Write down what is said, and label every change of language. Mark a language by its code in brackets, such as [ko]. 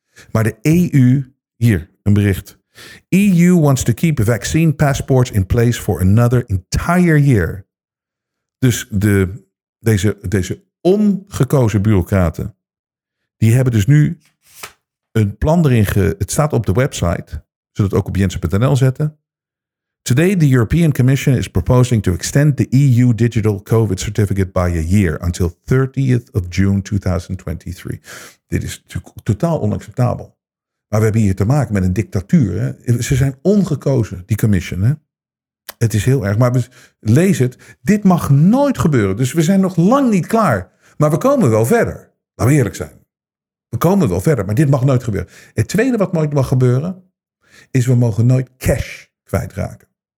[nl] Maar de EU, hier een bericht. [en] EU wants to keep vaccine passports in place for another entire year. [nl] Dus deze ongekozen bureaucraten, die hebben dus nu een plan erin. Het staat op de website, zullen het ook op jensen.nl zetten. [en] Today, the European Commission is proposing to extend the EU digital COVID certificate by a year until 30th of June 2023. [nl] Dit is totaal onacceptabel. Maar we hebben hier te maken met een dictatuur. Hè? Ze zijn ongekozen, die commission. Hè? Het is heel erg. Maar lees het. Dit mag nooit gebeuren. Dus we zijn nog lang niet klaar. Maar we komen wel verder. Laten we eerlijk zijn. We komen wel verder, maar dit mag nooit gebeuren. Het tweede wat nooit mag gebeuren, is we mogen nooit cash kwijtraken.